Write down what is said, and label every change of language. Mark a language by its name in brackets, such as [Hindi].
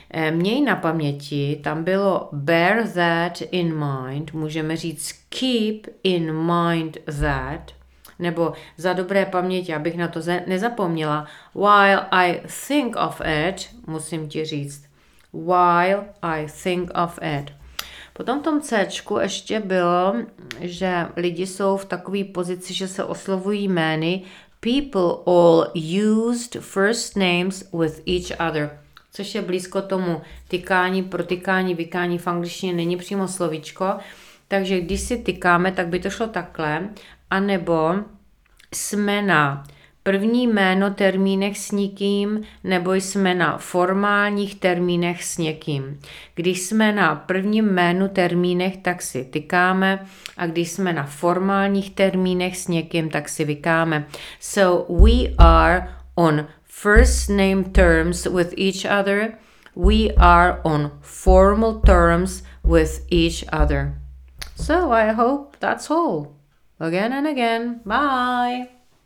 [Czech] Měj na paměti, tam bylo [English] bear that in mind, [Czech] můžeme říct [English] keep in mind that, [Czech] nebo za dobré paměti, abych na to nezapomněla, [English] while I think of it, [Czech] Potom v tom Cčku ještě bylo, že lidi jsou v takové pozici, že se oslovují jmény. [English] People all used first names with each other. [Czech] Což je blízko tomu tykání, protykání, vykání v angličtině, není přímo slovíčko. Takže když si tykáme, tak by to šlo takhle. A nebo jsme na první jméno termínech s někým, nebo jsme na formálních termínech s někým. Když jsme na prvním jménu termínech, tak si tykáme. A když jsme na formálních termínech s někým, tak si vykáme. [English] So we are on first name terms with each other. We are on formal terms with each other. So I hope that's all. Again and again. Bye.